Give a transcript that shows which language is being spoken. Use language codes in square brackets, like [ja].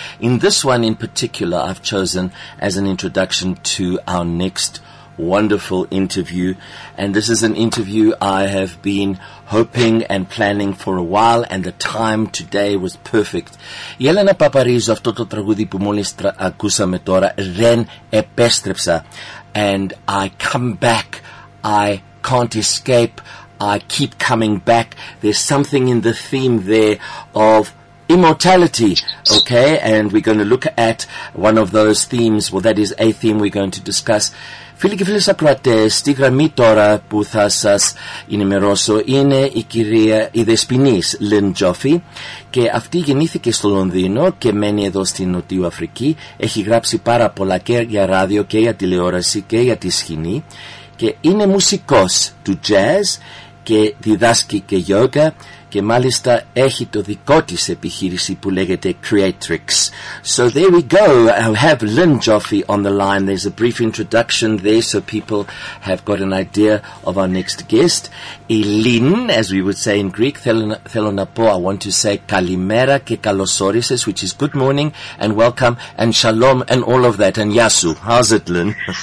[en] In this one in particular, I've chosen as an introduction to our next wonderful interview. And this is an interview I have been hoping and planning for a while, and the time today was perfect. [el] Η Έλενα Παπαρίζου, αυτό το τραγούδι που μόλις ακούσαμε τώρα, δεν επέστρεψα. [en] And I come back, I can't escape, I keep coming back. There's something in the theme there of immortality, okay? And we're going to look at one of those themes. Well, that is a theme we're going to discuss. [el] Φίλοι και φίλοι ακροατές, στη γραμμή τώρα που θα σας ενημερώσω είναι η κυρία, η δεσποινής Lynn Joffe, και αυτή γεννήθηκε στο Λονδίνο και μένει εδώ στην Νότιο Αφρική. Έχει γράψει πάρα πολλά και για ράδιο και για τηλεόραση και για τη σκηνή, και είναι μουσικός του jazz και διδάσκει και yoga, και μάλιστα έχει το δικό της επιχείρηση που λέγεται Creatrix. [en] So there we go. I have Lynn Joffe on the line. There's a brief introduction there so people have got an idea of our next guest. Η Lynn, as we would say in Greek, [el] θέλω να πω, [en] I want to say [el] καλημέρα και καλώς όρισες, [en] which is good morning and welcome and shalom and all of that, and yasu. How's it, Lynn?